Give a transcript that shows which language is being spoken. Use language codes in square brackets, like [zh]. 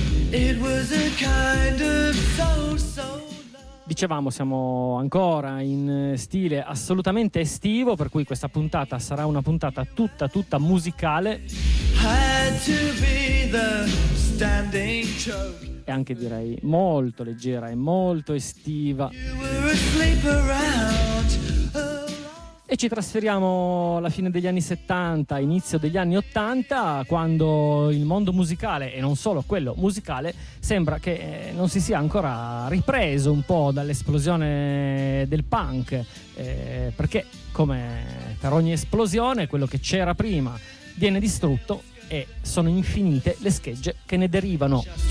[en] It was a kind of so. [it] Dicevamo, siamo ancora in stile assolutamente estivo, per cui questa puntata sarà una puntata tutta musicale. [en] Had to be the standing joke. [it] E anche direi molto leggera e molto estiva. E ci trasferiamo alla fine degli anni 70, inizio degli anni 80, quando il mondo musicale, e non solo quello musicale, sembra che non si sia ancora ripreso un po' dall'esplosione del punk, perché come per ogni esplosione quello che c'era prima viene distrutto e sono infinite le schegge che ne derivano.